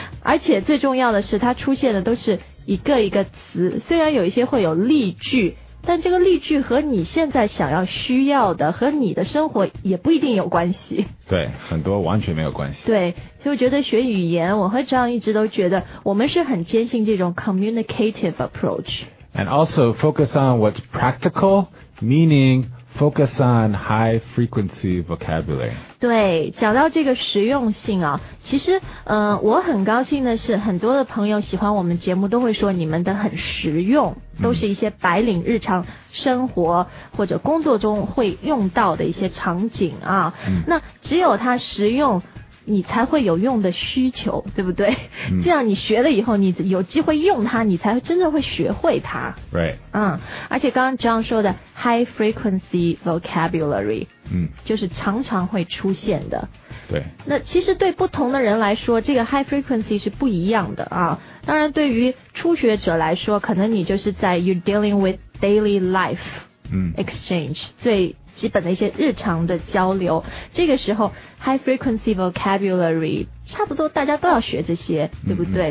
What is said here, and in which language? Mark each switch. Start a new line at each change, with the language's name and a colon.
Chinese: 而且最重要的是它出现的都是一个一个词，虽然有一些会有例句，但这个例句和你现在想要需要的和你的生活也不一定有关系。对，很多完全没有关系。对，所以我觉得学语言，我和张一直都觉得我们是很坚信这种 communicative approach.
English: And also focus on what's practical, meaning focus on high frequency vocabulary.
Chinese: 对，讲到这个实用性啊，其实我很高兴的是很多的朋友喜欢我们节目都会说你们的很实用，都是一些白领日常生活或者工作中会用到的一些场景啊、嗯、那只有它实用你才会有用的需求，对不对、嗯、这样你学了以后你有机会用它，你才真正会学会它。对、嗯、而且刚刚John说的 high frequency vocabulary、嗯、就是常常会出现的。对，那其实对不同的人来说这个 high frequency 是不一样的啊。当然对于初学者来说，可能你就是在
English: you're dealing with daily life exchange、
Chinese: 嗯、最基本的一些日常的交流，这个时候 high frequency vocabulary 差不多大家都要学这些，对不对、